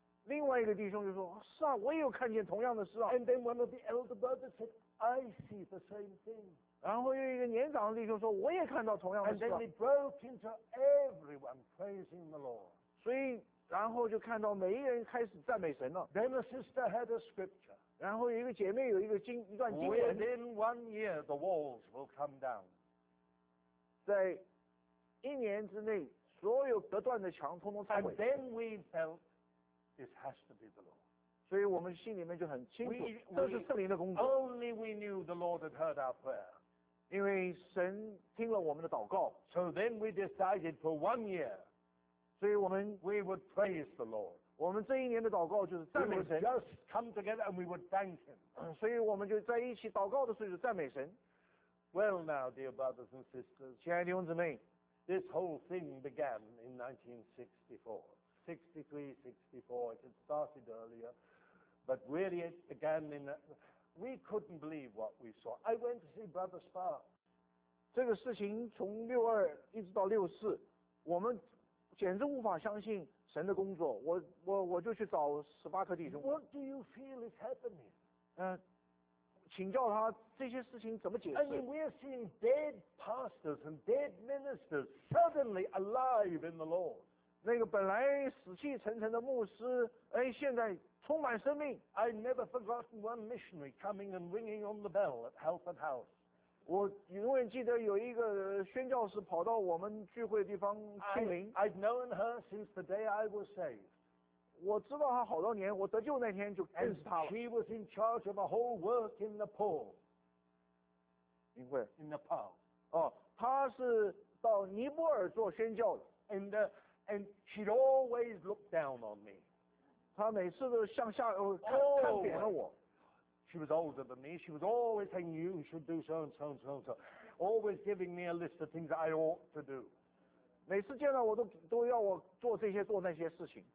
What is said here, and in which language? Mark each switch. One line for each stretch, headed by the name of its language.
Chinese: 另外一个弟兄就说、哦、是啊我也有看见同样的事啊。
English: And then one of the elder brothers said, I see the same thing.
Chinese: 然后又一个年长的弟兄说我也看到同样的事啊。
English: And then they broke into everyone praising the Lord.
Chinese: 所以然后就看到每一个人开始赞美神了。
English: Then a sister had a scripture.
Chinese: 然后有一个姐妹有一段经文。
English: Within 1 year, the walls will come down.
Chinese: 在一年之内，所有隔断的墙通通拆毁。
English: And then we felt this has to be the Lord.
Chinese: 所以我们心里面就很清楚，这是圣灵的工作。
English: Only we knew the Lord had heard our prayer.
Chinese: 因为神听了我们的祷告。
English: So then we decided for 1 year.
Chinese: 所以我们
English: we would praise the Lord.
Chinese: 我们这一年的祷告就是赞美神。
English: We would just come together and we would thank him.
Chinese: 所以我们就在一起祷告的时候就赞美神。
English: Well now, dear brothers and sisters,
Chinese: 亲爱的弟兄姊妹
English: this whole thing began in 1964. 63, 64, it had started earlier, but really it began in... We couldn't believe what we saw. I went to see Brother Spark.
Chinese: 这个事情从62一直到64我们简直无法相信神的工作，我就去找斯巴克弟兄。
English: What do you feel is happening？
Chinese: 请教他这些事情怎么解释
English: ？I mean, we are seeing dead pastors and dead ministers suddenly alive in the Lord。
Chinese: 那个本来死气沉沉的牧师，现在充满生命。
English: I never forgotten one missionary coming and ringing on the bell at Halford House。
Chinese: 我永远记得有一个宣教士跑到我们聚会的地方去灵。
English: I'd known her since the day I was saved.
Chinese: 我知道她好多年，我得救那天就认识她了。
English: She was in charge of a whole work in Nepal.
Chinese: 您会
English: ？In Nepal.
Chinese: 哦，她是到尼泊尔做宣教的。
English: And she always looked down on me.
Chinese: 她每次都向下看扁了我。
English: She was older than me. She was always saying, you should do so and so and so and so. Always giving me a list of things I ought to do.
Chinese: 每次见到我都要我做这些做那些事情。